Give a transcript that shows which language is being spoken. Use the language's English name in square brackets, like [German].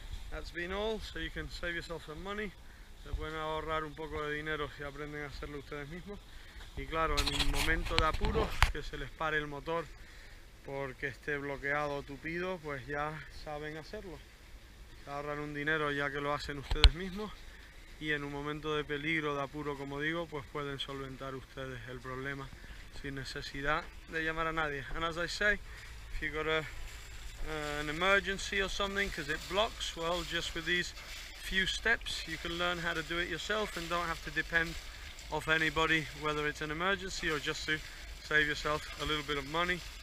[English] That's been all, so you can save yourself some money. [Spanish] Se pueden ahorrar un poco de dinero si aprenden a hacerlo ustedes mismos. Y claro, en un momento de apuro, que se les pare el motor porque esté bloqueado o tupido, pues ya saben hacerlo. Se ahorran un dinero ya que lo hacen ustedes mismos. Y en un momento de peligro, de apuro, como digo, pues pueden solventar ustedes el problema sin necesidad de llamar a nadie. [English] And as I say, if you've got an emergency or something because it blocks, well, just with these few steps, you can learn how to do it yourself and don't have to depend off anybody, whether it's an emergency or just to save yourself a little bit of money.